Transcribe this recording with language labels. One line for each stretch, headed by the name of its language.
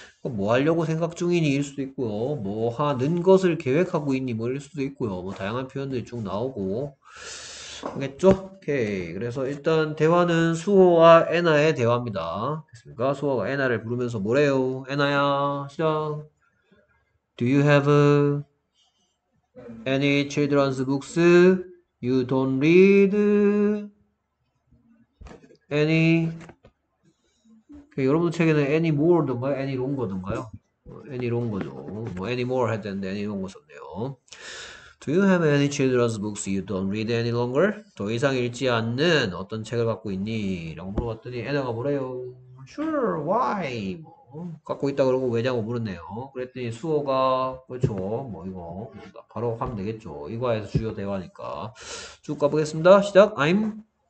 Korean: 뭐 하려고 생각 중이니 일 수도 있고요. 뭐 하는 것을 계획하고 있니 뭐일 수도 있고요. 뭐 다양한 표현들이 쭉 나오고. 알겠죠? 오케이. 그래서 일단 대화는 수호와 애나의 대화입니다. 됐습니까? 수호가 애나를 부르면서 뭐래요? 애나야, 시작.
English: Do you have any children's books you don't read?
Korean: Any? 여러분 책에는 any more든가요? any longer든가요? any longer죠. 뭐 any more 할 텐데 any longer 썼네요.
English: Do you have any children's books you don't read any longer?
Korean: 더 이상 읽지 않는 어떤 책을 갖고 있니? 라고 물어봤더니 애나가 뭐래요?
English: Sure, why?
Korean: 갖고 있다 그러고 왜냐고 물었네요. 그랬더니 수호가 그렇죠 뭐 이거 바로 하면 되겠죠. 이 과에서 주요 대화니까 쭉 가보겠습니다. 시작. I'm